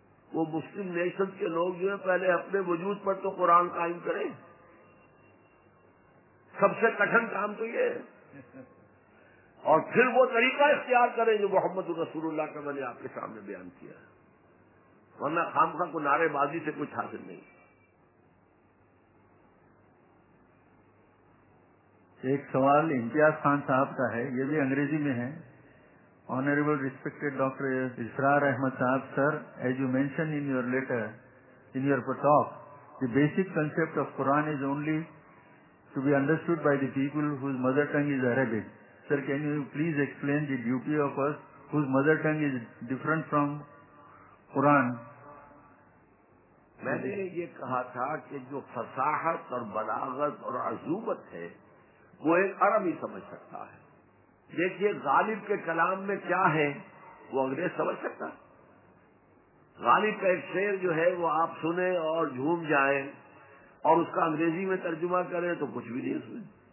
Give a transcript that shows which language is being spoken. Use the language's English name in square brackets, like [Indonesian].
[Urdu] وہ مسلم نیشنز کے لوگ جو ہیں پہلے اپنے وجود پر تو قرآن قائم کریں, سب سے کٹھن کام تو یہ ہے, اور پھر وہ طریقہ اختیار کریں جو محمد رسول اللہ کا میں نے آپ کے سامنے بیان کیا, ورنہ خامخواہ کو نعرے بازی سے کچھ حاصل نہیں. ایک سوال امتیاز خان صاحب کا ہے, یہ بھی انگریزی میں ہے. [English] Honorable respected Dr. Israr Ahmed Sahab, sir, as you mentioned in your letter, in your talk, the basic concept of Quran is only to be understood by the people whose mother tongue is Arabic. Sir, can you please explain the duty of us whose mother tongue is different from Quran? [Urdu] میں نے یہ کہا تھا کہ جو فصاحت اور بلاغت اور عزوبت ہے وہ ایک عربی سمجھ سکتا ہے. دیکھیے غالب کے کلام میں کیا ہے وہ انگریز سمجھ سکتا ہے؟ غالب کا ایک شعر جو ہے وہ آپ سنیں اور جھوم جائیں اور اس کا انگریزی میں ترجمہ کریں تو کچھ بھی نہیں سنیں.